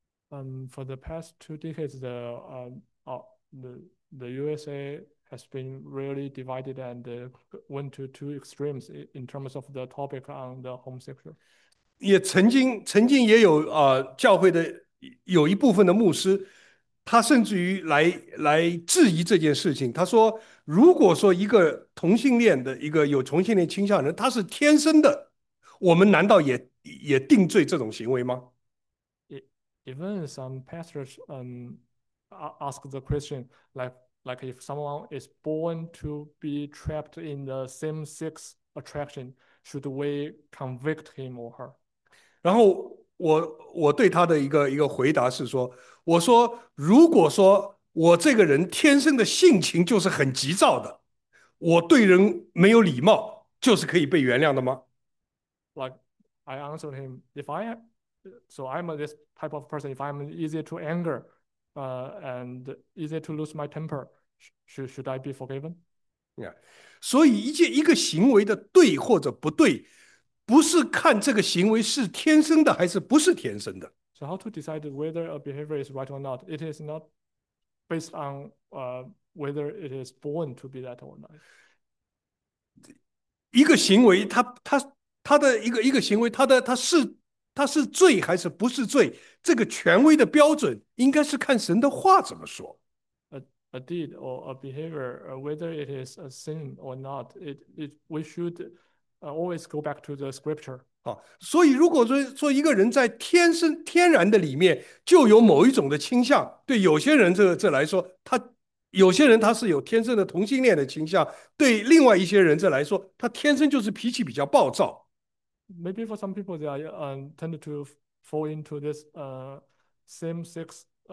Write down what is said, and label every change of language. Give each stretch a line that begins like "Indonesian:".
English: For the past two decades, the USA has been really divided and went to two extremes in terms of the topic on the homosexual.
Chinese: 也曾经也有教会的有一部分的牧师，他甚至于来质疑这件事情。他说，如果说一个同性恋的一个有同性恋倾向的人，他是天生的，我们难道也定罪这种行为吗？
English: Even some pastors ask the question like if someone is born to be trapped in the same sex attraction, should we convict him or her?
Chinese: 然后我对他的一个回答是说，我说如果说我这个人天生的性情就是很急躁的，我对人没有礼貌，就是可以被原谅的吗？
English: Like I answered him, if I am So I'm this type of person. If I'm easy to anger, and easy to lose my temper, should I be forgiven?
Chinese: 所以一个行为的对或者不对。不是看这个行为是天生的还是不是天生的。
English: So how to decide whether a behavior is right or not? It is not based on whether it is born to be that or not.
Chinese: 一个行为，他的一个行为，他是罪还是不是罪？这个权威的标准应该是看神的话怎么说。
English: A deed or a behavior, whether it is a sin or not, we should always go back to the scripture.
Chinese: 所以，如果说一个人在天然的里面就有某一种的倾向，对有些人这来说，有些人他是有天生的同性恋的倾向，对另外一些人这来说，他天生就是脾气比较暴躁。
English: Maybe for some people, they are tend to fall into this same sex.